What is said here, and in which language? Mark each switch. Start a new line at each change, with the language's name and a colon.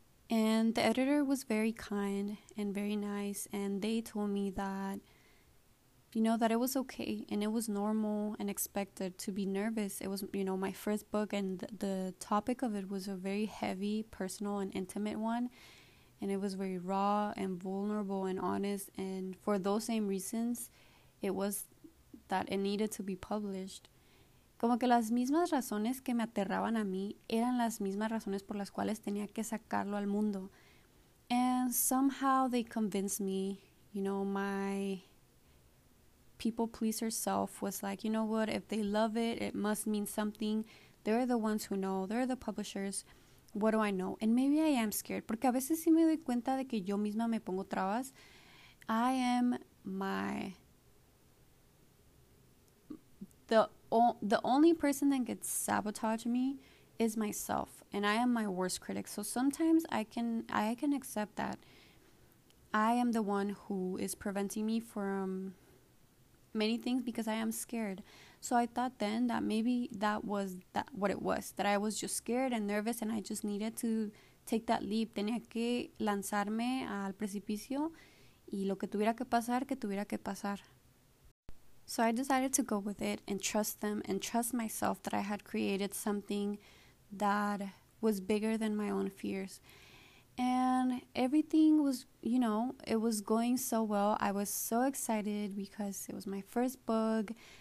English: And the editor was very kind and very nice, and they told me that, that it was okay and it was normal and expected to be nervous. It was, my first book, and the topic of it was a very heavy, personal, and intimate one. And it was very raw and vulnerable and honest. And for those same reasons, it was that it needed to be published.
Spanish: Como que las mismas razones que me aterraban a mí eran las mismas razones por las cuales tenía que sacarlo al mundo.
English: And somehow they convinced me, you know, my people pleaser self was like, you know what, if they love it, it must mean something. They're the ones who know. They're the publishers. What do I know? And maybe I am scared.
Spanish: Porque a veces sí me doy cuenta de que yo misma me pongo trabas.
English: I am my... The only person that gets sabotage me is myself. And I am my worst critic. So sometimes I can accept that. I am the one who is preventing me from many things because I am scared. So I thought then that maybe that was that what it was. That I was just scared and nervous and I just needed to take that leap.
Spanish: Tenía que lanzarme al precipicio y lo que tuviera que pasar, que tuviera que pasar.
English: So I decided to go with it and trust them and trust myself that I had created something that was bigger than my own fears. And everything was, you know, it was going so well. I was so excited because it was my first book.